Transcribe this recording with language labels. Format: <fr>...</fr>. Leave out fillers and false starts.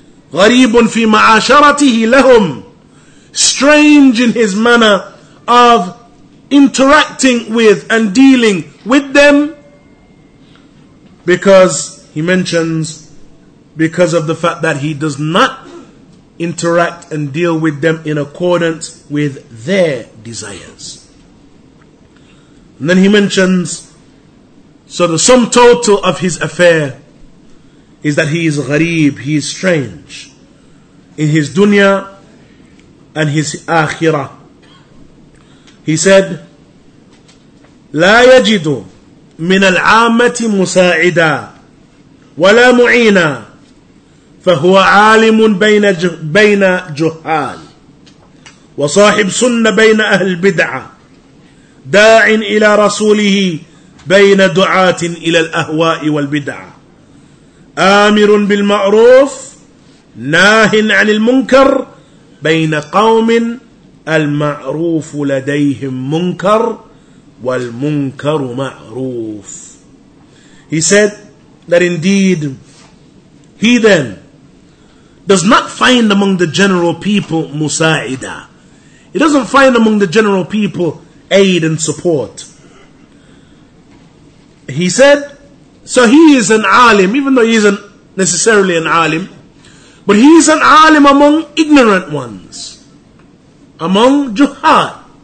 <ar>غَرِيبٌ فِي مَعَاشَرَتِهِ لَهُمْ,</ar> <en>strange in his manner of interacting with and dealing with them, because, he mentions, because of the fact that he does not interact and deal with them in accordance with their desires. And then he mentions, so the sum total of his affair is that he is gharib, he is strange in his dunya and his akhirah. He said,</en> <ar>لا يجد من العامة مساعدا ولا معينا فهو عالم بين جهال وصاحب سنة بين أهل البدعة داع إلى رسوله بين دعاة إلى الأهواء والبدعة آمر بالمعروف ناه عن المنكر بين قوم المعروف لديهم منكر والمنكر معروف.</ar> <en>He said that indeed he then does not find among the general people musa'ida. He doesn't find among the general people aid and support. He said, so he is an alim, even though he isn't necessarily an alim, but he is an alim among ignorant ones, among juhad.</en>